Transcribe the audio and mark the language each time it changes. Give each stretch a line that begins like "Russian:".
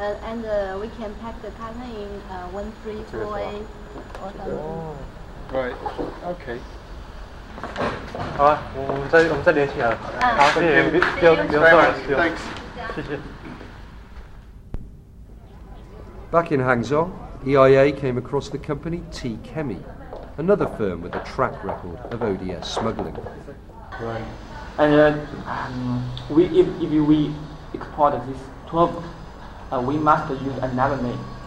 English: And we can pack the carton in 134A or something. Oh. Right. Okay.
Chinese: 好啊，我们再联系啊。好，谢谢，不用不用多了，谢谢。
English: Back in Hangzhou, EIA came across the company T Chemi, another firm with a track record of ODS smuggling. Right. And if we export this 12, we must use another name.